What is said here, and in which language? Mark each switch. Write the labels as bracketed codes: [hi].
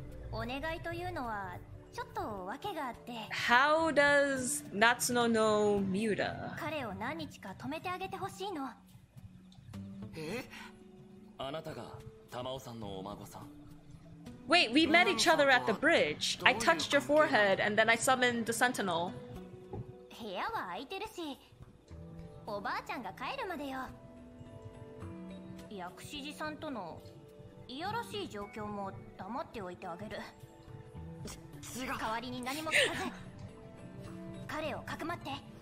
[ja] お願いというのはちょっと訳があって。 [en] How does Natsuno know Miura? [ja] 彼を何日か止めてあげてほしいの。え、あなたが玉尾さんのお孫さん。 [en] Wait, we met each other at the bridge. I touched your forehead and then I summoned the sentinel. [ja] 部屋は空いてるし、おばあちゃんが帰るまでよ。薬師寺さんとのいやらしい状況も黙っておいてあげる。違う。代わりに何も聞かず彼をかくまって。